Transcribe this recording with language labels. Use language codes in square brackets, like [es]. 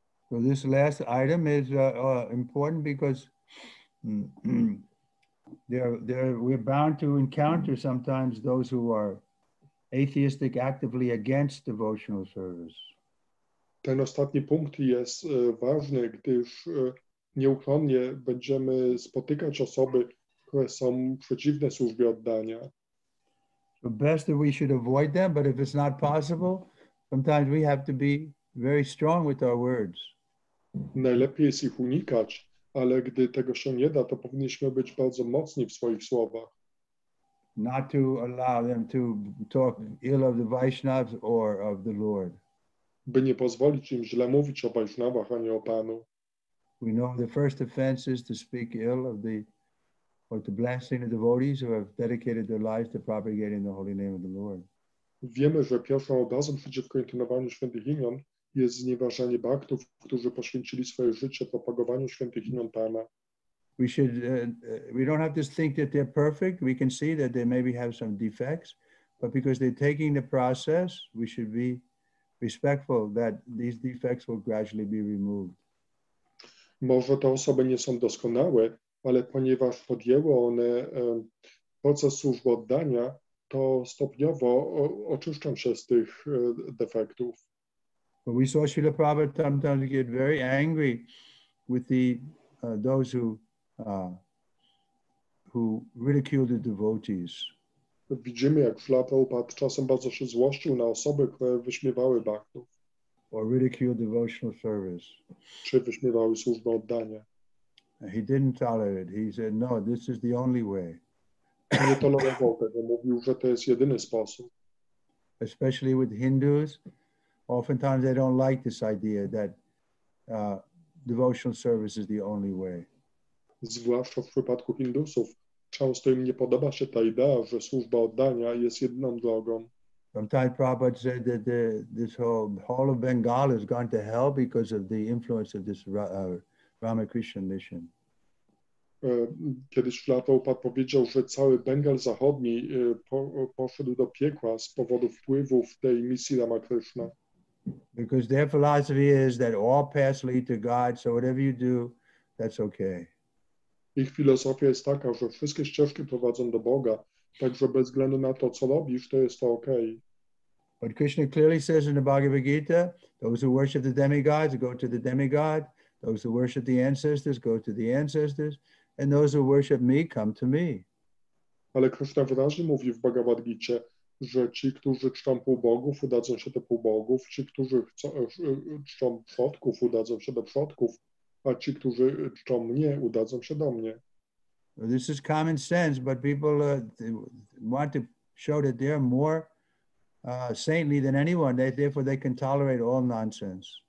[en] So this last item is important because we're bound to encounter sometimes those who are atheistic, actively against devotional service. [pl] Ten ostatni punkt jest ważny, gdyż nieuchronnie będziemy spotykać osoby, które są przeciwne służbie oddania. [en] The best that we should avoid them, but if it's not possible, sometimes we have to be very strong with our words. [pl] Najlepiej jest ich unikać, ale gdy tego się nie da, to powinniśmy być bardzo mocni w swoich słowach. [en] Not to allow them to talk ill of the Vaishnavas or of the Lord. [pl] By nie pozwolić im źle mówić o Vaishnavach, a nie o Panu. [en] We know the first offense is to speak ill of the or to blessing the devotees who have dedicated their lives to propagating the holy name of the Lord. [pl] Wiemy, że pierwszą obrazą przeciwko intonowaniu świętych imion jest znieważanie baktów, którzy poświęcili swoje życie propagowaniu świętych imion Pana. [en] We should we don't have to think that they're perfect. We can see that they maybe have some defects, but because they're taking the process, we should be respectful that these defects will gradually be removed. [pl] Może te osoby nie są doskonałe, ale ponieważ podjęły one proces służby oddania, to stopniowo oczyszczą się z tych defektów. [en] But we saw Srila Prabhupada sometimes get very angry with the those who ridicule the devotees. [pl] Widzimy, jak Srila Prabhupada czasem bardzo się złościł na osoby, które wyśmiewały baktów. [en] Or ridicule devotional service. [pl] Czy wyśmiewały służbę oddania. [en] He didn't tolerate. He said, no, this is the only way. [pl] Nie tolerował tego. Mówił, że to jest jedyny sposób. [en] Especially with Hindus, oftentimes they don't like this idea that devotional service is the only way. [pl] Zwłaszcza w przypadku Hindusów, często im nie podoba się ta idea, że służba oddania jest jedyną drogą. [en] Sometimes Prabhupada said that this whole of Bengal has gone to hell because of the influence of this Ramakrishna mission. [pl] Kiedyś Srila Prabhupada powiedział, że cały Bengal Zachodni poszedł do piekła z powodu wpływów tej misji Ramakrishna. [en] Because their philosophy is that all paths lead to God, so whatever you do, that's okay. [pl] Ich filozofia jest taka, że wszystkie ścieżki prowadzą do Boga, także bez względu na to, co robisz, to jest to okej. [en] Okay. But Krishna clearly says in the Bhagavad Gita, those who worship the demigods go to the demigod, those who worship the ancestors go to the ancestors, and those who worship me come to me. [pl] Ale Krishna wyraźnie mówi w Bhagavad Gita, że ci, którzy czczą półbogów, udadzą się do półbogów, ci, którzy czczą przodków, udadzą się do przodków, a ci, którzy czczą mnie, udadzą się do mnie. [en] This is common sense, but people want to show that they're more saintly than anyone. Therefore, they can tolerate all nonsense.